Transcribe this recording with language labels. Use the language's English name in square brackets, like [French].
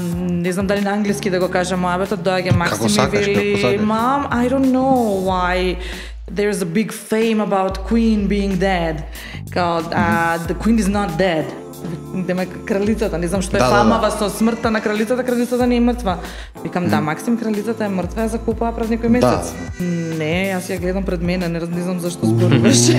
[Macedonian] Не знам дали на англиски да го кажа муабетот, доаѓа Максим и вели, [English] Mom, I don't know why there's a big fame about Queen being dead. [Macedonian] Као, [English] the Queen is not dead. [Macedonian] Деме кралицата, не знам што е фамава со смртта на кралицата, кралицата не е мртва. Викам, да, Максим, кралицата е мртва, ја закупува пред некој месец. Da. Не, јас ја гледам пред мене, не знам зашто споруваш.